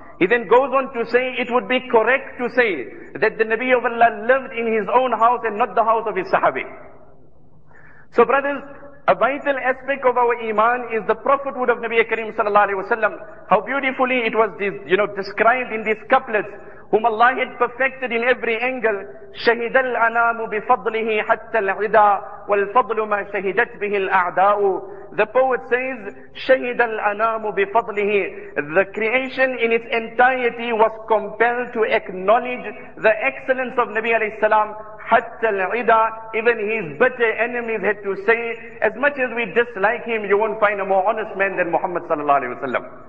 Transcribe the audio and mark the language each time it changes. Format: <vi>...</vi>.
<en>He then goes on to say, it would be correct to say that the Nabi of Allah lived in his own house and not the house of his sahabi. So brothers, a vital aspect of our iman is the prophethood of Nabi Karim sallallahu alayhi wa sallam. How beautifully it was described in these couplets, whom Allah had perfected in every angle.</en> <ar>شهد الأنام بفضله حتى العدا والفضل ما شهدت به الأعداء.</ar> <en>The poet says,</en> <ar>شهد الأنام بفضله.</ar> <en>The creation in its entirety was compelled to acknowledge the excellence of Nabi alayhi salam.</en> <ar>حتى العدا.</ar> <en>Even his bitter enemies had to say, as much as we dislike him, you won't find a more honest man than Muhammad sallallahu alayhi wa sallam.</en>